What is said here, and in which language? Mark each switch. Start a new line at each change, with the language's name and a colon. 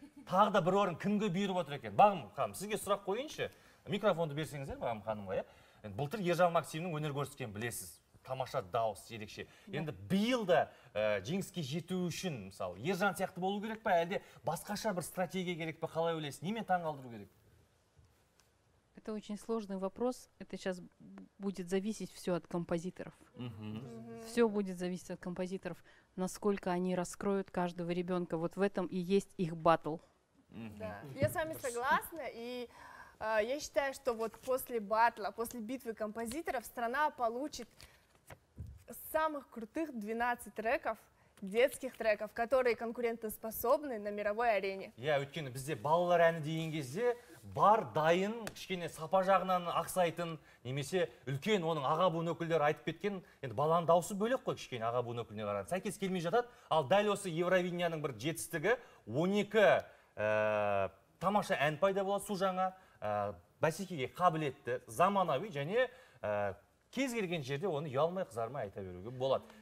Kazakh: Тағы да бір орын кімге бұйырып отыр екен? Бағым ханым, сізге сұрақ қояйыншы. Микрофонды берсеңіздер Бағым ханымға, иә? Былтыр Ержан Максимнің өнер көрсеткенін білесіз, тамаша дауыс ерекше. Енді биыл да жеңіске жету үшін, мысалы, Ержан сияқты болу керек пе, әлде басқаша бір стратегия керек пе, қалай ойлайсыз, немен таңғалдыру керек?
Russian: Это очень сложный вопрос. Это сейчас будет зависеть все от композиторов. Все будет зависеть от композиторов, насколько они раскроют каждого ребенка. Вот в этом и есть их батл. Да, я с вами согласна. И я считаю, что вот после батла, после битвы композиторов, страна получит самых крутых 12 треков, детских треков, которые конкурентоспособны на мировой арене.
Kazakh: Я өткені бізде балалар әні дейін кезде бар дайын, кішкене сапа жағынан ақсайтын, немесе үлкен оның аға буын өкілдері айтып кеткен, енді баланың даусы бөлек қой кішкене аға буын өкіліне қараған. Сәйкес келмей жатады, ал дәл осы Евровидениенің бір жетістігі 12 тамаша ән пайда болады су жаңа, бәсекеге қабілетті, заманауи және кез келген жерде оны ұялмай қызармай айта беруге болады.